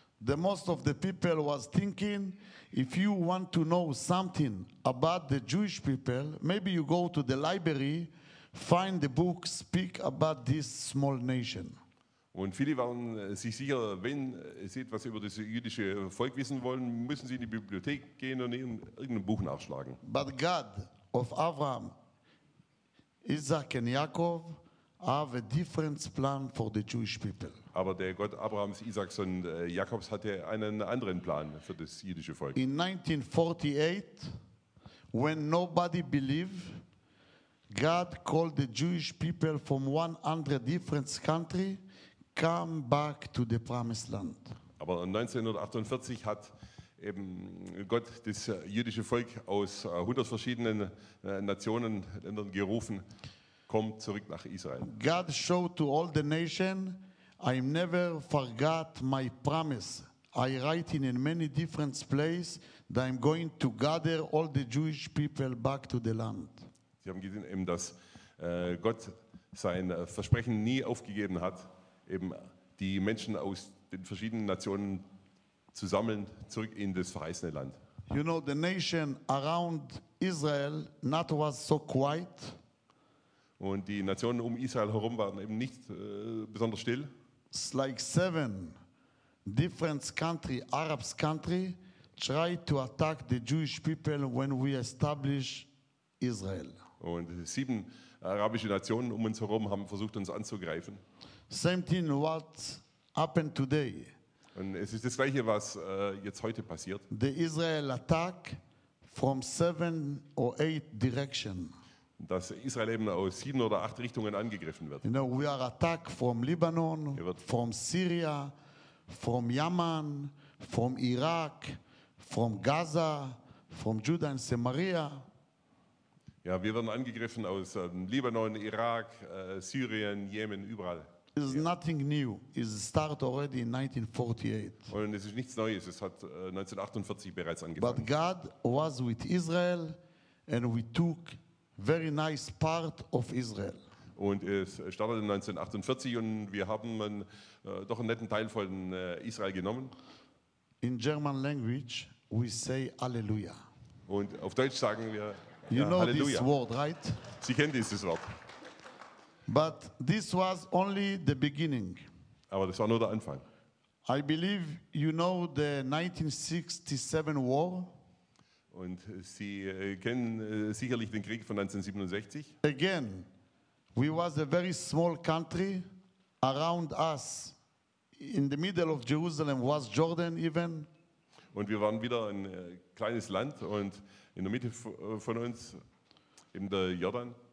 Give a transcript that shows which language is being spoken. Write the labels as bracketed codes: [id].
[en] The most of the people was thinking, if you want to know something about the Jewish people, maybe you go to the library, find the book, speak about this small nation. [de] Und viele waren sich sicher, wenn sie etwas über das jüdische Volk wissen wollen, müssen sie in die Bibliothek gehen und irgendein Buch nachschlagen. [en] But God of Abraham, Isaac and Jacob, have a different plan for the Jewish people. [de] Aber der Gott Abrahams, Isaaks und Jakobs hatte einen anderen Plan für das jüdische Volk. [en] In 1948, when nobody believed, God called the Jewish people from 100 different countries, come back to the promised land. [de] Aber 1948 hat eben Gott das jüdische Volk aus 100 verschiedenen Nationen, Ländern gerufen, kommt zurück nach Israel. [en] God showed to all the nation, I never forgot my promise. I write in many different places that I'm going to gather all the Jewish people back to the land. [de] Sie haben gesehen, eben, dass Gott sein Versprechen nie aufgegeben hat, eben die Menschen aus den verschiedenen Nationen zu sammeln, zurück in das verheißene Land. [en] You know, the nation around Israel not was so quiet. [de] Und die Nationen um Israel herum waren eben nicht besonders still. [en] It's like 7 different country, Arab country, tried to attack the Jewish people when we establish Israel. [de] Und 7 arabische Nationen um uns herum haben versucht, uns anzugreifen. [en] Same thing what happened today. [de] Und es ist das Gleiche, was jetzt heute passiert. [en] The Israel attack from 7 or 8 directions. [de] Dass Israel eben aus 7 oder 8 Richtungen angegriffen wird. [en] You know, we are attacked from Lebanon, from Syria, from Yemen, from Iraq, from Gaza, from Judah and Samaria. [de] Ja, wir werden angegriffen aus Libanon, Irak, Syrien, Jemen, überall. [en] It is nothing new. It started already in 1948. [de] Und es ist nichts Neues. Es hat 1948 bereits angefangen. [en] But God was with Israel, and we took very nice part of Israel. [de] Und es startete 1948 und wir haben doch einen netten Teil von Israel genommen. [en] In German language we say Alleluia. [de] Und auf Deutsch sagen wir [en] you [de] ja, [en] know [de] Halleluja. [en] This word, right? [de] Sie kennen dieses Wort. [en] But this was only the beginning. [de] Aber das war nur der Anfang. [en] I believe you know the 1967 war. [de] Und Sie kennen sicherlich den Krieg von 1967. [en] Again, we was a very small country. Around us, in the middle of Jerusalem, was Jordan even. [de] Und wir waren wieder ein kleines Land und in der Mitte von uns, eben der Jordan.